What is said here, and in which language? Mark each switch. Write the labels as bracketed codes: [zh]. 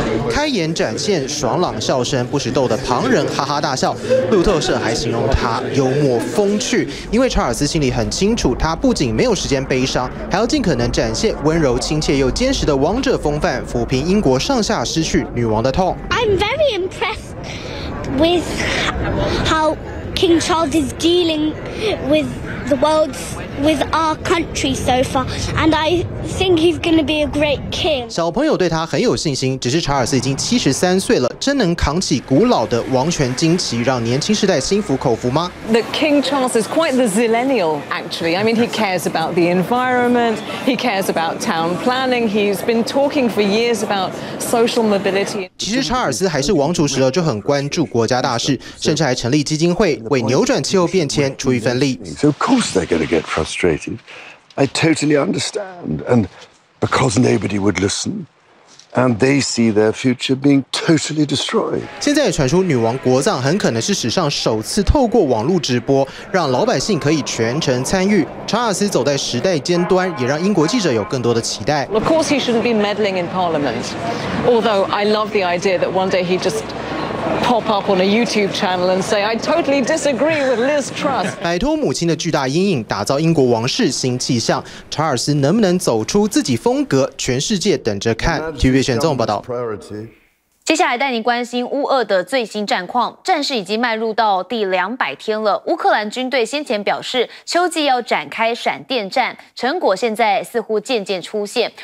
[zh] 开演展现爽朗笑声，不时逗得旁人哈哈大笑。路透社还形容他幽默风趣，因为查尔斯心里很清楚，他不仅没有时间悲伤，还要尽可能展现温柔亲切又坚实的王者风范，抚平英国上下失去女王的痛。 [en] I'm very impressed with how King Charles is dealing with the world's with our country so far, and I think he's going to be a great king. [zh] 小朋友对他很有信心，只是查尔斯已经73岁了，真能扛起古老的王权旌旗，让年轻世代心服口服吗 [en] ？The King Charles is quite the millennial, actually. I mean, he cares about the environment, he cares about town planning. He's been talking for years about social mobility. [zh] 其实查尔斯还是王储时就很关注国家大事，甚至还成立基金会为扭转气候变迁出一份力。 [en] So of course they're going to get frustrated. I totally understand. And because nobody would listen, and they see their future being totally destroyed. [zh] 现在也传出女王国葬很可能是史上首次透过网络直播，让老百姓可以全程参与。查尔斯走在时代尖端，也让英国记者有更多的期待。 [en] Of course he shouldn't be meddling in Parliament. Although I love the idea that one day he just. Pop up on a YouTube channel and say, "I totally disagree with Liz Truss." [zh] 摆脱母亲的巨大阴影，打造英国王室新气象。查尔斯能不能走出自己风格？全世界等着看。TVB 选综报道。接下来带您关心乌俄的最新战况，战事已经迈入到第200天了。乌克兰军队先前表示，秋季要展开闪电战，成果现在似乎渐渐出现。